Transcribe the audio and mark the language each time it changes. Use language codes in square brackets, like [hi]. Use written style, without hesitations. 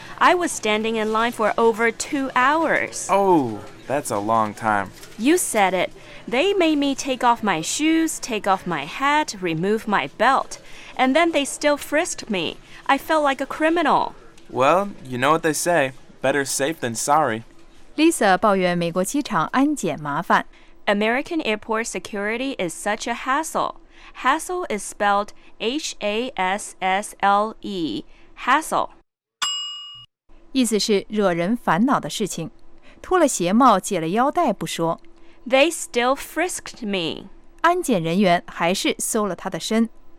[en] I was standing in line for over 2 hours. Oh, that's a long time. You said it. They made me take off my shoes, take off my hat, remove my belt. And then they still frisked me. I felt like a criminal. Well, you know what they say. Better safe than sorry. [zh] Lisa 抱怨美国机场安检麻烦。 [en] American airport security is such a hassle. Hassle is spelled H-A-S-S-L-E, hassle. [zh] 意思是惹人烦恼的事情。脱了鞋帽，解了腰带不说。 [en] They still frisked me. [zh] 安检人员还是搜了他的身。